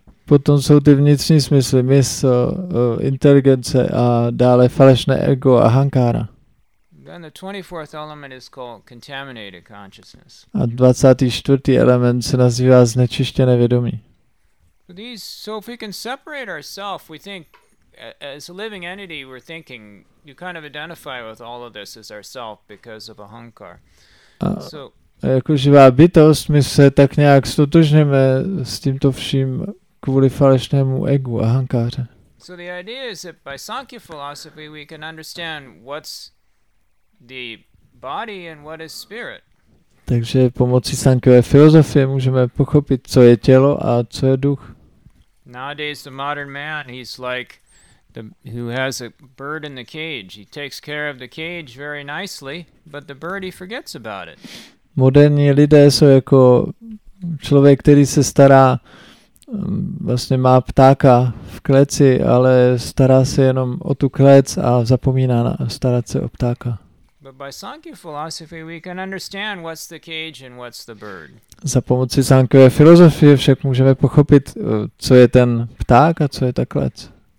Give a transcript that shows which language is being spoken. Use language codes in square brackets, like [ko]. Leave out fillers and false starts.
[cs] potom jsou ty vnitřní smysly, mysl, inteligence a dále falešné ego a hankára. [en] Then the 24th element is called contaminated consciousness. [cs] A 24. element se nazývá znečištěné vědomí. [en] So if we can separate ourselves, we think as a living entity, we're thinking you kind of identify with all of this as ourself because of ahankar. [cs] So a jako živá bytost, my se tak nějak stotožníme s tímto vším kvůli falešnému egu a ahankáře. [en] So the idea is that by Sankhya philosophy we can understand what's the body and what is spirit. [cs] Takže pomocí Sankhyové filozofie můžeme pochopit, co je tělo a co je duch. [en] Nowadays the modern man, he's like the who has a bird in the cage. He takes care of the cage very nicely, but the bird he forgets about it. [cs] Moderní lidé jsou jako člověk, který se stará, vlastně má ptáka v kleci, ale stará se jenom o tu klec a zapomíná starat se o ptáka. [en] But by Sankhya philosophy we can understand what's the cage and what's the bird. [cs] Za pomocí Sankhyové filozofie však můžeme pochopit, co je ten pták a co je ta klec.